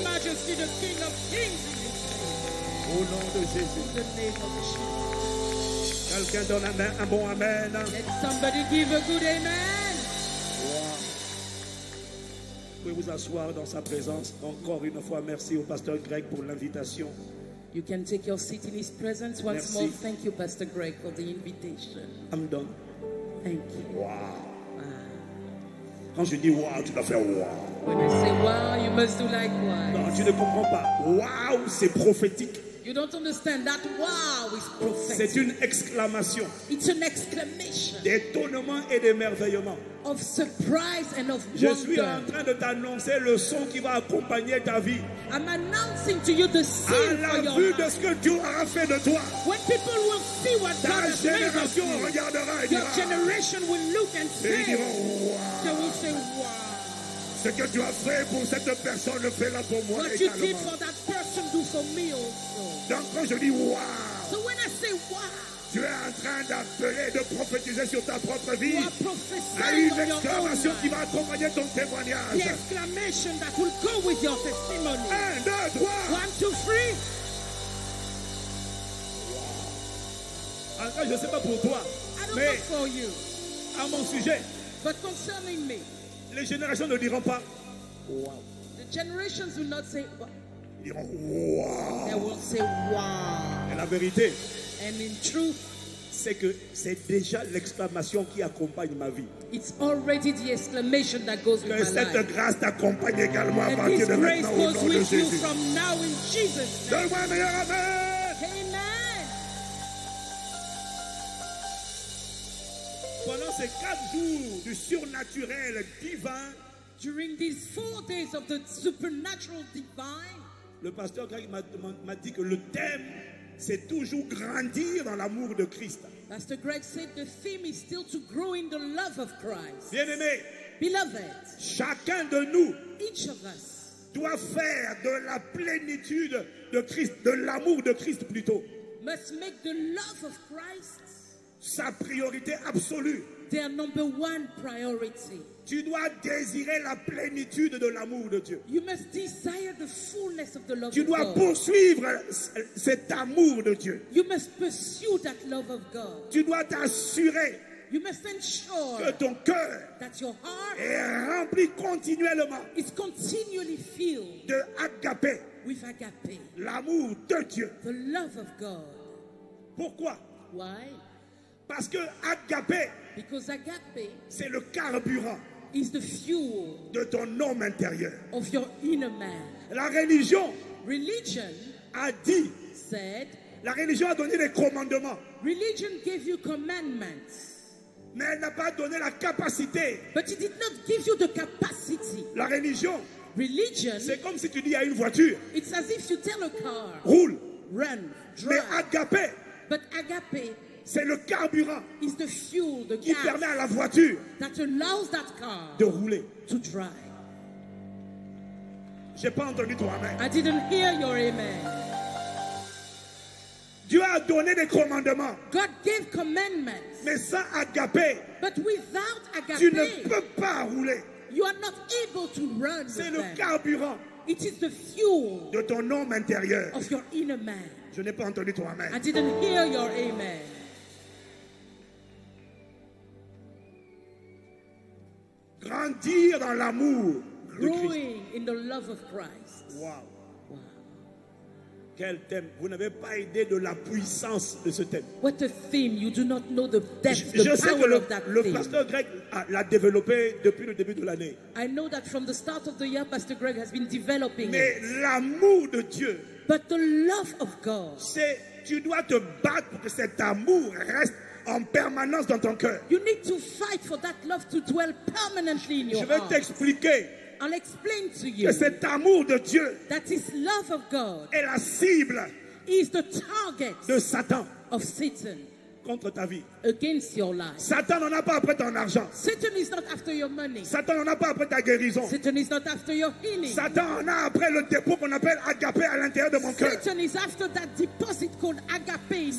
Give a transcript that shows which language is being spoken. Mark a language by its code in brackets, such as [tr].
[fr] Au nom de Jésus. Quelqu'un donne un bon amen. [en] Let somebody give a good amen. [fr] Vous pouvez vous asseoir dans sa présence. Encore une fois, merci au pasteur Greg pour l'invitation. [en] You can take your seat in his presence once merci. More. Thank you, Pastor Greg, for the invitation. I'm done. Thank you. Wow. [fr] Quand je dis wow, tu dois faire wow. [en] When I say wow, you must do likewise. [fr] Non, tu ne comprends pas. Wow, c'est prophétique. [en] You don't understand that wow is prophetic. [fr] C'est une exclamation. [en] It's an exclamation. [fr] D'étonnement et d'émerveillement. [en] Of surprise and of wonder. [fr] Je suis en train de t'annoncer le son qui va accompagner ta vie. [en] I'm announcing to you the sign for your [fr] vue de ce que Dieu aura fait de toi. [en] When people will see what [fr] ta [en] God has made of you, [fr] regardera et [en] your generation will look and say, [fr] et diront, wow. [en] They will say, wow. [fr] Ce que tu as fait pour cette personne, fais-la pour moi [en] what [fr] également. [en] What you did for that person, do for me also. [fr] Donc quand je dis wow, [en] so when I say wow, [fr] tu es en train d'appeler, de prophétiser sur ta propre vie. À une exclamation qui va accompagner ton témoignage. [en] The exclamation that will go with your testimony. [fr] Un, deux, trois. [en] One, two, three. Wow. [fr] Alors, je ne sais pas pour toi, mais [en] for you, [fr] à mon sujet, [en] but concerning me, [fr] les générations ne diront pas wow. [en] The generations will not say wow. [fr] Ils diront wow. [en] They will say wow. [fr] Et la vérité, [en] and in truth, [fr] c'est que c'est déjà l'exclamation qui accompagne ma vie. [en] It's already the exclamation that goes with my life. [fr] Que cette grâce t'accompagne également [en] and [fr] à partir de maintenant au nom de Jésus. [en] This grace goes with you from now in Jesus' name. [fr] Donne-moi un meilleur amen. Amen. Pendant ces quatre jours du surnaturel divin, [en] during these 4 days of the supernatural divine, [fr] le pasteur Greg m'a dit que le thème, c'est toujours grandir dans l'amour de Christ. [en] Pastor Greg said the theme is still to grow in the love of Christ. [fr] Bien-aimé, [en] beloved, [fr] chacun de nous, [en] each of us, [fr] doit faire de la plénitude de Christ, de l'amour de Christ plutôt, [en] must make the love of Christ [fr] sa priorité absolue. [en] Their number one priority. [fr] Tu dois désirer la plénitude de l'amour de Dieu. [en] You must desire the fullness of the love [fr] tu [en] of [fr] Poursuivre cet amour de Dieu. [en] You must pursue that love of God. [fr] Tu dois t'assurer [en] you must ensure [fr] que ton cœur est rempli continuellement [en] is continually filled [fr] de agapé, [en] with agapé, [fr] l'amour de Dieu. [en] The love of God. [fr] Pourquoi? [en] Why? [fr] Parce que agapé, [en] because agape, [fr] c'est le carburant, [en] is the fuel [fr] de ton homme intérieur, [en] of your inner man. [fr] La religion, [en] religion [fr] a dit, [en] said, [fr] la religion a donné des commandements, [en] religion gave you commandments, [fr] mais elle n'a pas donné la capacité, [en] but it did not give you the capacity. [fr] La religion, [en] religion, [fr] c'est comme si tu dis à une voiture, [en] it's as if you tell a car, [fr] roule, [en] run, drive. [fr] Mais agape, [en] but agape, [fr] c'est le carburant [en] is the fuel, the [fr] qui permet à la voiture [en] that allows that car [fr] de rouler. [en] To drive. [fr] J'ai pas entendu ton amen. [en] I didn't hear your amen. [fr] Dieu a donné des commandements. [en] God gave commandments. [fr] Mais sans agapé, [en] but without agapé, [fr] tu ne peux pas rouler. [en] You are not able to run. [fr] C'est le carburant. [en] It is the fuel [fr] de ton homme intérieur. [en] Of your inner man. [fr] Je n'ai pas entendu ton amen. [en] I didn't hear your amen. [fr] Grandir dans l'amour [en] growing [fr] de Christ. [en] In the love of Christ. Wow. [fr] Quel thème. Vous n'avez pas idée de la puissance de ce thème. [en] What a theme. You do not know the depth, the [fr] je sais [en] power [fr] que le, [en] of that [fr] le [en] theme. [fr] Pasteur Greg l'a développé depuis le début de l'année. [en] I know that from the start of the year, Pastor Greg has been developing [fr] mais [en] it. [fr] Mais l'amour de Dieu. [en] But the love of God. [fr] C'est, tu dois te battre pour que cet amour reste en permanence dans ton cœur. [en] You need to fight for that love to dwell permanently in your heart. [fr] Je vais t'expliquer. [en] I'll explain to you [fr] que cet amour de Dieu [en] that his love of God [fr] est la cible [en] is the target [fr] de Satan, [en] of Satan [fr] contre ta vie. [en] Against your life. [fr] Satan n'en a pas après ton argent. [en] Satan is not after your money. [fr] Satan n'en a pas après ta guérison. [en] Satan is not after your healing. [fr] Satan en a après le dépôt qu'on appelle agapé à l'intérieur de mon cœur. [en] Satan is after that deposit called agape in my heart.